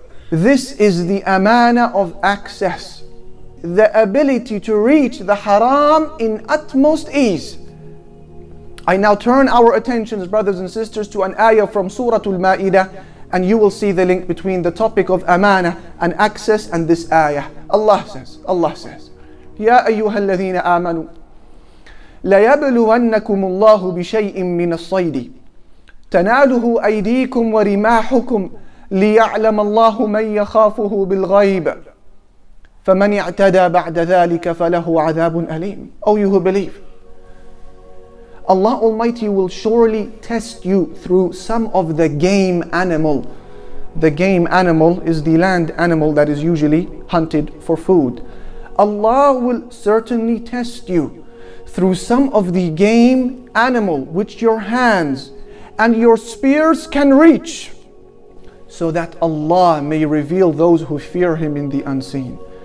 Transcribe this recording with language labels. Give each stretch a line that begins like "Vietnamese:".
English: This is the amana of access, the ability to reach the haram in utmost ease. I now turn our attentions, brothers and sisters, to an ayah from Surah Al-Ma'idah, and you will see the link between the topic of amana and access and this ayah. Allah says,
Arabic: Ya ayyuha alladhina amanu, ليبلونكم الله بشيء من الصيد تناله أيديكم ورماحكم ليعلم الله من يخافه بالغيب فمن اعتدى بعد ذلك فله عذاب أليم.
English: Oh, you who believe, Allah Almighty will surely test you through some of the game animal. The game animal is the land animal that is usually hunted for food. Allah will certainly test you through some of the game animal which your hands and your spears can reach, so that Allah may reveal those who fear Him in the unseen.